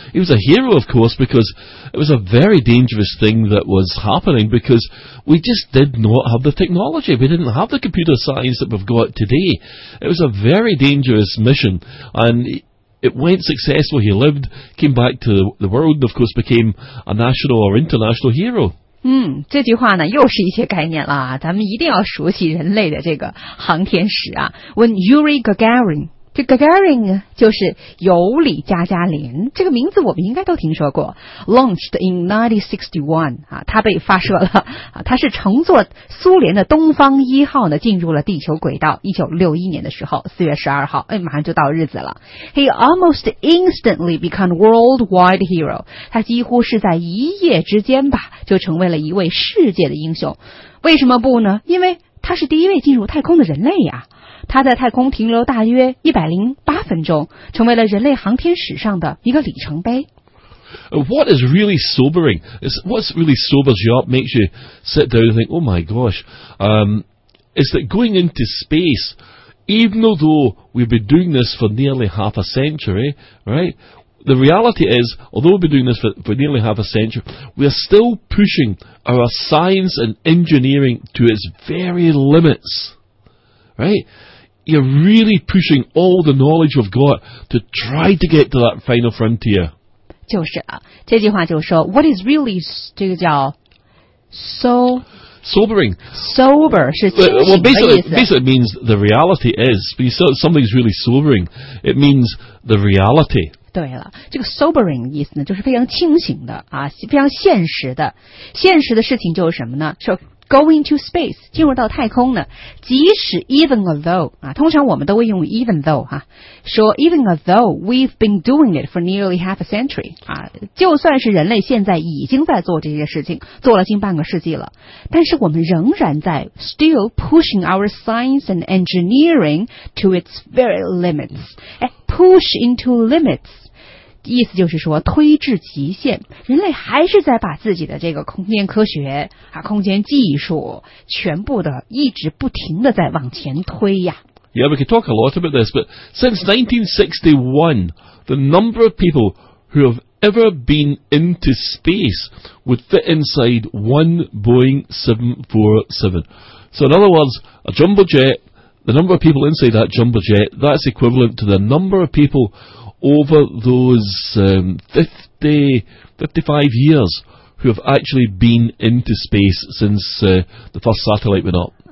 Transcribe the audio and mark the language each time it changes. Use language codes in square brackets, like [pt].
[en] He was a hero, of course, because it was a very dangerous thing that was happening because we just did not have the technology. We didn't have the computer science that we've got today. It was a very dangerous mission, and it went successful. He lived, came back to the world, and of course became a national or international hero. [zh] 嗯，这句话呢又是一些概念了，咱们一定要熟悉人类的这个航天史啊。问 Yuri Gagarin， 这 Gagarin 就是尤里加加林，这个名字我们应该都听说过。 [en] Launched in 1961 [zh] 啊，他被发射了啊，他是乘坐苏联的东方一号呢进入了地球轨道。 1961年的时候，4月12号，哎，马上就到日子了。 [en] He almost instantly became worldwide hero， [zh] 他几乎是在一夜之间吧。就成为了一位世界的英雄，为什么不呢？因为他是第一位进入太空的人类呀。他在太空停留大约108分钟，成为了人类航天史上的一个里程碑。 [en] What is really sobering is what's really sobers you up, makes you sit down and think, "Oh my gosh," is that going into space, even though we've been doing this for nearly half a century, right? The reality is, although we've been doing this for nearly half a century, we are still pushing our science and engineering to its very limits. Right? You're really pushing all the knowledge we've got to try to get to that final frontier. [zh] 就是啊，这句话就说 , [en] what is really, [zh] 这个叫 so... [en] Sobering. [zh] Sober 是清醒的意思。 [en] Well, basically it means the reality is, when you say something's really sobering, it means the reality. [zh] 对了，这个 sobering 意思呢，就是非常清醒的啊，非常现实的。现实的事情就是什么呢？说 [en] going to space, [zh] 进入到太空呢，即使 [en] even although, [zh] 啊，通常我们都会用 even though, 啊，说 [en] even although we've been doing it for nearly half a century, [zh] 啊，就算是人类现在已经在做这些事情，做了近半个世纪了，但是我们仍然在 [en] still pushing our science and engineering to its very limits. Push into limits. [zh] 意思就是说推至极限，人类还是在把自己的这个空间科学啊，空间技术全部的一直不停的在往前推呀。 [en] Yeah, we could talk a lot about this, but since 1961, the number of people who have ever been into space would fit inside one Boeing 747. So in other words, a jumbo jet,The number of people inside that jumbo jet, that's equivalent to the number of people over those 55 years who have actually been into space since the first satellite went up.